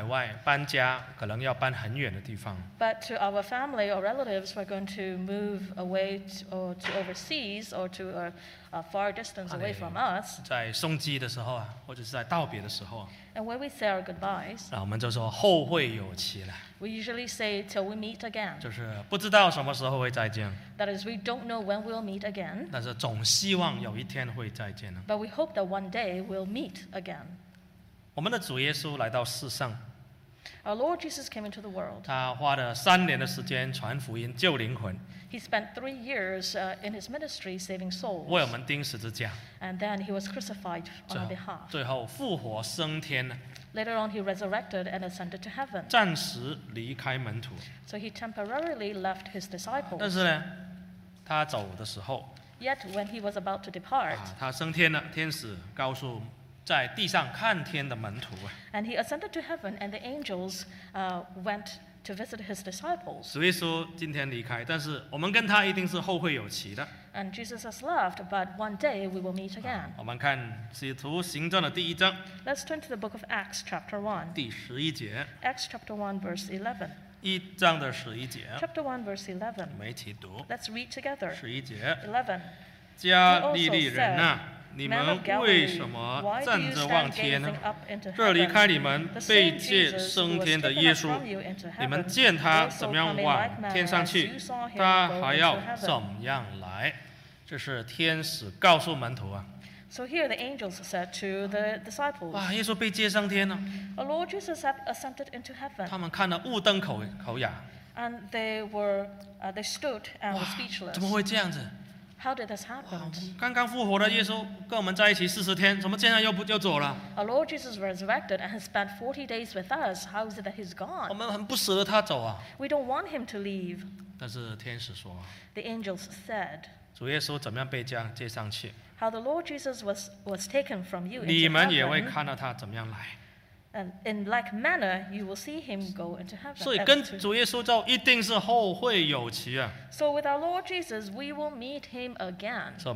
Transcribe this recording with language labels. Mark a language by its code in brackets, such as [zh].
[zh] 但是如果跟那些亲友,他要移民到海外,搬家,可能要搬很远的地方。 [en] But to our family or relatives, we're going to move away or to overseas or to a far distance away from us. [zh] 在送机的时候,或者是在道别的时候。 [en] And when we say our goodbyes, [zh] 我们就说后会有期了。 [en] We usually say till we meet again. [zh] 就是不知道什么时候会再见。 [en] That is, we don't know when we'll meet again. [zh] 但是总希望有一天会再见。 [en] But we hope that one day we'll meet again. [zh] 我们的主耶稣来到世上。 [en] Our Lord Jesus came into the world. [zh] 他花了3年的时间传福音救灵魂。 [en] He spent 3 years in his ministry saving souls. [zh] 为我们钉十字架。 [en] And then he was crucified on our behalf. [zh] 最后复活升天。 [en] Later on, he resurrected and ascended to heaven. [zh] 暂时离开门徒。 [en] So he temporarily left his disciples. [zh] 但是呢，他走的时候。 [en] Yet when he was about to depart. [zh] 他升天了，天使告诉。在地上看天的门徒, [en] and he ascended to heaven, and the angels went to visit his disciples. [zh] 主耶稣今天离开, 但是我们跟他一定是后会有期的。 [en] And Jesus has left, but one day we will meet again. [zh] 我们看使徒行传的第一章, [en] Let's turn to the book of Acts, chapter 1. [zh] 第十一节, [en] Acts, chapter 1, verse 11. [zh] 一章的十一节, [en] chapter 1, verse 11. [zh] 我们一起读, [en] Let's read together. [zh] 十一节, [en] 11. [zh] 加利利人啊, 你们为什么站着望天呢？这离开你们被借升天的耶稣，你们见他怎么样往天上去，他还要怎么样来？这是天使告诉门徒啊。 [en] So here the angels said to the disciples, [zh] 哇, 耶稣被接上天了。 [en] Our Lord Jesus had ascended into heaven. [zh] 他们看得目瞪口呆。 [en] And they stood and were speechless. [zh] 哇, 怎么会这样子？ [en] How did this happen? [zh] 刚刚复活的耶稣跟我们在一起40天，怎么现在又走了？ [en] Our Lord Jesus resurrected and has spent 40 days with us. How is it that he's gone? [zh] 我们很不舍得他走啊。 [en] We don't want him to leave. [zh] 但是天使说, [en] The angels said, [zh] 主耶稣怎么样被接上去？ [en] How the Lord Jesus was taken from you into heaven. [zh] 你们也会看到他怎么样来。 [en] And in like manner, you will see him go into heaven. [zh] 所以跟主耶稣走，一定是后会有期啊。 [en] So with our Lord Jesus, we will meet him again.